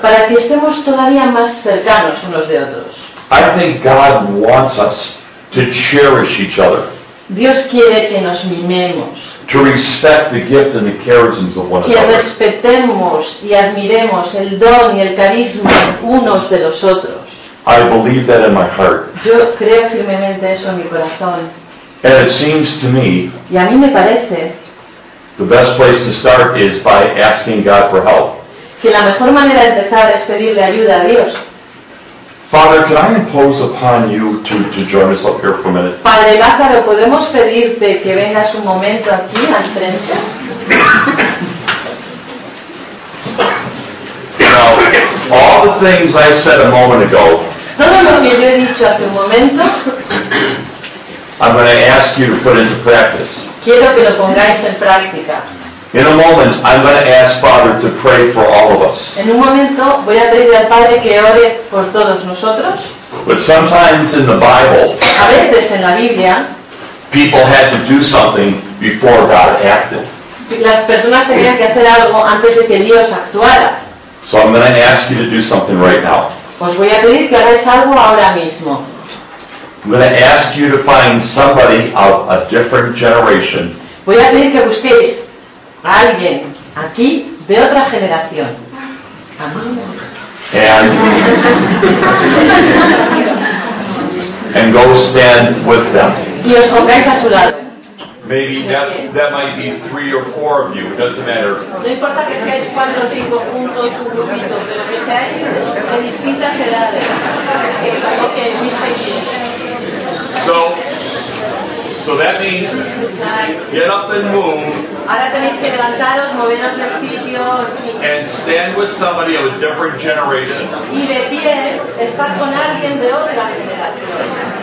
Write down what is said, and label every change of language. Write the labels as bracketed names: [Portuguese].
[Spanish] Para que estemos todavía más cercanos unos de otros. [English] I think God wants us to cherish each other. [Spanish] Dios quiere que nos mimemos. [English] To respect the gift and the charisms of one another. [Spanish] Que respetemos y admiremos el don y el carisma unos de los otros. [English] I believe that in my heart. [Spanish] Yo creo firmemente eso en mi corazón. [English] And it seems to me. [Spanish] Y a mí me parece. [English] The best place to start is by asking God for help. [Spanish] Que la mejor manera de empezar es pedirle ayuda a Dios. [English] Father, can I impose upon you to join us up here for a minute? [Spanish] Padre Lázaro, ¿podemos pedirte que vengas un momento aquí al frente? [English] Now, all the things I said a moment ago. [Spanish] Todo lo que yo he dicho hace un momento. [English] I'm going to ask you to put into practice. [Spanish] Quiero que lo pongáis en práctica. [English] In a moment, I'm going to ask Father to pray for all of us. [Spanish] En un momento voy a pedir al Padre que ore por todos nosotros. [English] But sometimes in the Bible. [Spanish] A veces en la Biblia. [English] People had to do something before God acted. [Spanish] Las personas tenían que hacer algo antes de que Dios actuara. [English] So I'm going to ask you to do something right now. [Spanish] Os voy a pedir que hagáis algo ahora mismo. [English] I'm going to ask you to find somebody of a different generation. [Spanish] Voy a pedir que busquéis a alguien aquí de otra generación. [English] And go stand with them. [Spanish] Y os pongáis a su lado. [English] Maybe that might be three or four of you. It doesn't matter. [Spanish] No importa que seáis cuatro o cinco juntos, un grupito, pero que seáis de distintas edades. Es algo que es diferente. [English] So that means get up and move. [Spanish] Ahora tenéis que levantaros, moveros del sitio. [English] And stand with somebody of a different generation. [Spanish] Y de pie, estar con alguien de otra generación.